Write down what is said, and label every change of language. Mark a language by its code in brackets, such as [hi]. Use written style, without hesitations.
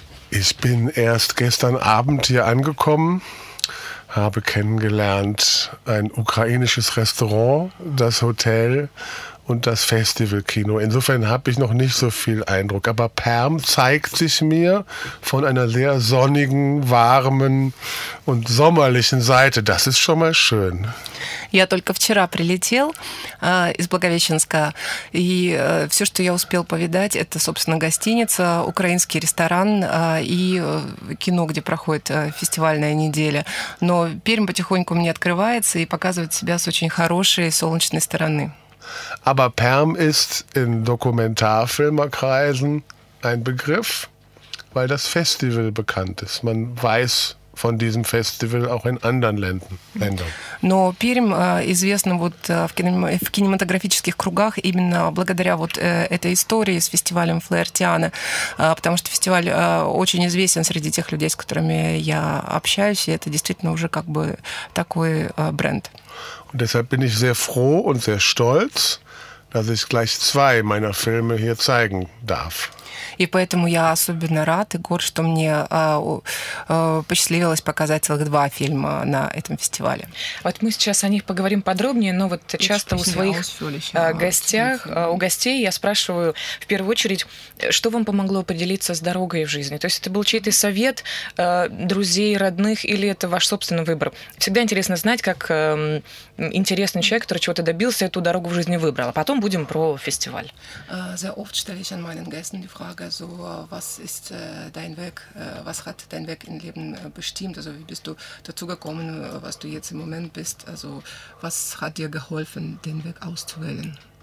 [de] Ich bin erst gestern Abend hier angekommen, habe kennengelernt ein ukrainisches Restaurant, das Hotel und das Festivalkino. Insofern habe ich noch nicht so viel Eindruck. Aber Perm zeigt sich mir von einer sehr sonnigen, warmen und sommerlichen Seite. Das ist schon mal schön. [ru] Я только вчера прилетел из Благовещенска, и все, что я успел повидать, это, собственно, гостиница, украинский ресторан и кино, где проходит фестивальная неделя. Но Пермь потихоньку мне открывается и показывает себя с очень хорошей солнечной стороны. [de] Aber Perm ist in Dokumentarfilmerkreisen ein Begriff, weil das Festival bekannt ist. Man weiß von diesem Festival auch in anderen Ländern. [ru] Но Пермь известна вот в кинематографических кругах именно благодаря вот этой истории с фестивалем Флаертиана, потому что фестиваль очень известен среди тех людей, с которыми я общаюсь, и это действительно уже как бы такой бренд. [de] Und deshalb bin ich sehr froh und sehr stolz, dass ich gleich zwei meiner Filme hier zeigen darf. [ru] И поэтому я особенно рад и горд, что мне посчастливилось показать целых два фильма на этом фестивале. Вот мы сейчас о них поговорим подробнее, но вот часто у своих гостях, у гостей я спрашиваю в первую очередь, что вам помогло определиться с дорогой в жизни? То есть это был чей-то совет друзей, родных, или это ваш собственный выбор? Всегда интересно знать, как интересный человек, который чего-то добился, эту дорогу в жизни выбрал. А потом будем про фестиваль. [de] Sehr oft stelle ich an meinen Gästen die Frage, also was ist dein Weg, was hat dein Weg im Leben bestimmt, also wie bist du dazu gekommen, was du jetzt im Moment bist, also was hat dir geholfen, den Weg auszuwählen?